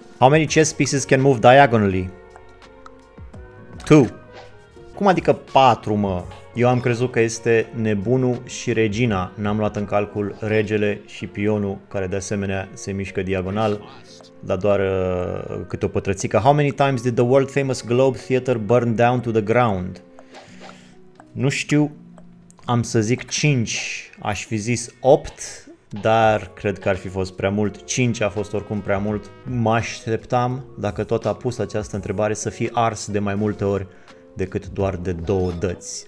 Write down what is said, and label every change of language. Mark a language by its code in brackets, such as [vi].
[en] How many chess pieces can move diagonally? 2. [ro] Cum adică 4, mă? Eu am crezut că este nebunul și regina. N-am luat în calcul regele și pionul, care de asemenea se mișcă diagonal, dar doar câte o pătrățică. [en] How many times did the world famous Globe Theater burn down to the ground? [ro] Nu știu, am să zic 5, aș fi zis 8, dar cred că ar fi fost prea mult. 5 a fost oricum prea mult. Mă așteptam, dacă tot a pus această întrebare, să fie ars de mai multe ori decât doar de două dăți.